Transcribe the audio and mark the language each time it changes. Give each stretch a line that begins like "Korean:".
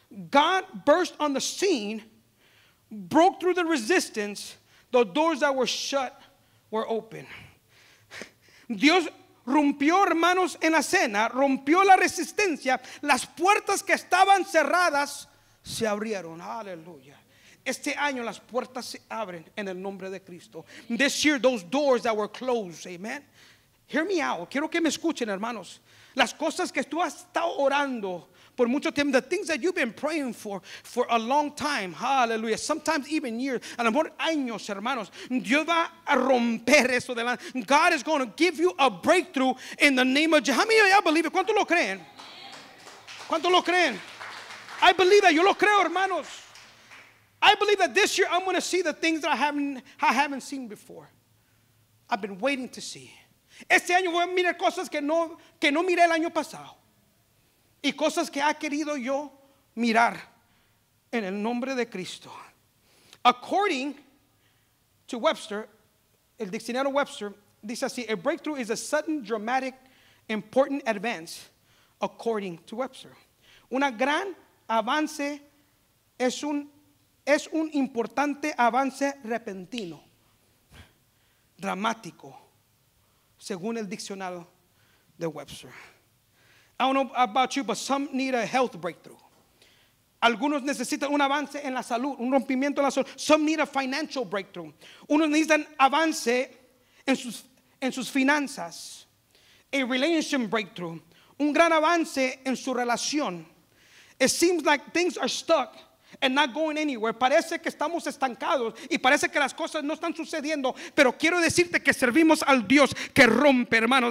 English: God burst on the scene, broke through the resistance, the doors that were shut were open.
Spanish: Dios rompió, hermanos, en la cena, rompió la resistencia, las puertas que estaban cerradas se abrieron. Aleluya. Este año las puertas se abren en el nombre de Cristo.
English: This year those doors that were closed, amen. Hear me out.
Spanish: Quiero que me escuchen, hermanos. Las cosas que tú has estado orando por mucho tiempo,
English: the things that you've been praying for a long time, hallelujah, sometimes even years,
Spanish: a lo mejor años, hermanos, Dios va a romper eso delante.
English: God is going to give you a breakthrough in the name of Jesus. How many of y'all believe it?
Spanish: ¿Cuánto lo creen? ¿Cuánto lo creen?
English: I believe that.
Spanish: Yo lo creo, hermanos.
English: I believe that this year I'm going to see the things that I haven't seen before. I've been waiting to see.
Spanish: Este año voy a mirar cosas que no miré el año pasado. Y cosas que ha querido yo mirar en el nombre de Cristo.
English: According to Webster,
Spanish: el diccionario Webster dice así,
English: a breakthrough is a sudden, dramatic, important advance, according to Webster.
Spanish: Una gran avance es un importante avance repentino, dramático, según el diccionario de Webster.
English: I don't know about you, but some need a health breakthrough.
Spanish: Algunos necesitan un avance en la salud, un rompimiento en la salud.
English: Some need a financial breakthrough.
Spanish: Unos necesitan avance en sus finanzas.
English: A relationship breakthrough.
Spanish: Un gran avance en su relación.
English: It seems like things are stuck and not going anywhere.
Spanish: Parece que estamos estancados y parece que las cosas no están sucediendo, pero quiero decirte que servimos al Dios que rompe, hermano.